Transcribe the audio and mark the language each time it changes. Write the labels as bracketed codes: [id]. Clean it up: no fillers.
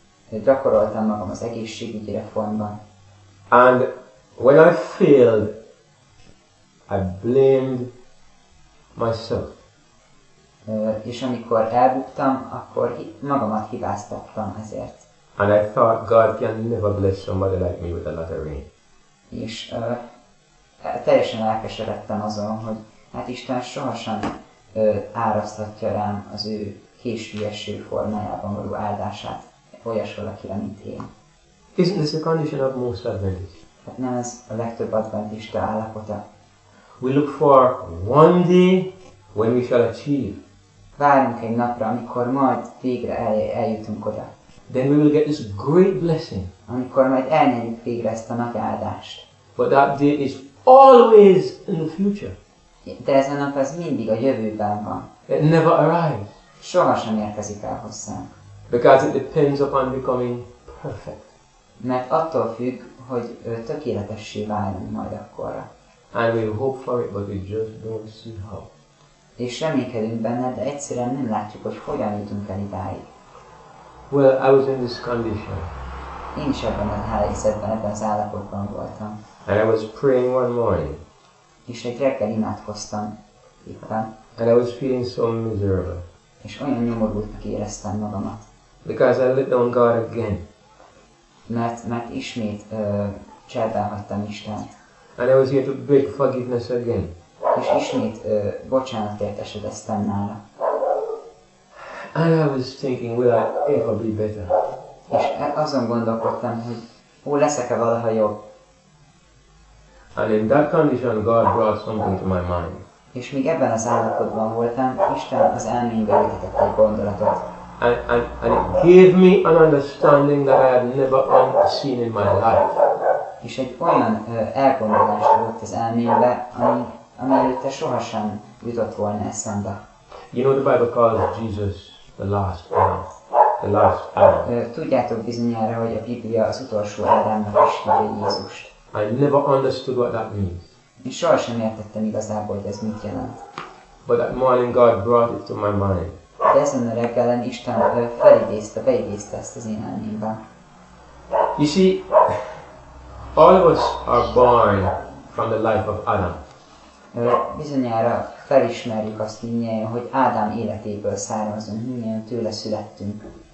[hu] Gyakoroltam magam az egészségügyi reformban. [en] And when I failed, I blamed myself. [hu] És amikor elbuktam, akkor magamat hibáztattam ezért. [en] And I thought God can never bless somebody like me with another rain. [hu] És teljesen elkeseredtem azon, hogy hát Isten sohasem áraszthatja rám az ő késő eső formájában való áldását olyas valakire, mint én. [en] Isn't this the condition of most Adventists? [hu] Hát nem ez a legtöbb adventista állapota. [en] We look for one day when we shall achieve. [hu] Várunk egy napra, amikor majd végre eljutunk oda. [en] Then we will get this great blessing. [hu] Amikor majd elnyerjük végre ezt a nagy áldást. [en] But that day is always in the future. [hu] De ez a nap az mindig a jövőben van. [en] It never arrives. [hu] Sohasem érkezik el hozzánk. [en] Because it depends upon becoming perfect. [hu] Mert attól függ, hogy tökéletessé válunk majd akkorra. [en] And we hope for it, but we just don't see how. [hu] És reménykedünk benne, de egyszerűen nem látjuk, hogy hogyan jutunk el idáig. [en] Well, I was in this condition. [hu] Én is ebben a helyzetben, ebben az állapotban voltam. [en] And I was praying one morning. [hu] És egy reggel imádkoztam éppen. [en] And I was feeling so miserable. [hu] És olyan nyomorultnak éreztem magamat. [en] Because I let down God again. [hu] Mert ismét cserben hagytam Istent. [en] And I was here to beg forgiveness again. [hu] És ismét bocsánatért esedeztem nála. [en] And I was thinking, will I ever be better? [hu] És azon gondolkodtam, hogy ó, leszek-e valaha jobb? [en] And in that condition, God brought something to my mind. [hu] És még ebben az állapotban voltam, Isten az elménybe ültetett egy gondolatot. [en] And it gave me an understanding that I had never seen in my life. [hu] És egy olyan elgondolást adott az elménybe, ami előtte sohasem jutott volna eszembe. [en] You know, the Bible calls Jesus the last Adam. The last Adam. [hu] Tudjátok bizonyára, hogy a Biblia az utolsó Ádámnak is hívja Jézust. [en] I never understood what that means. [hu] Én sohasem értettem igazából, hogy ez mit jelent. [en] But that morning God brought it to my mind. [hu] De ezen a reggelen Isten felidézte, beidézte ezt az én elmémbe. [en] You see, all of us are born from the life of Adam. [hu] Bizonyára felismerjük azt mindnyájan, hogy Ádám életéből származunk, mindnyájan tőle születtünk.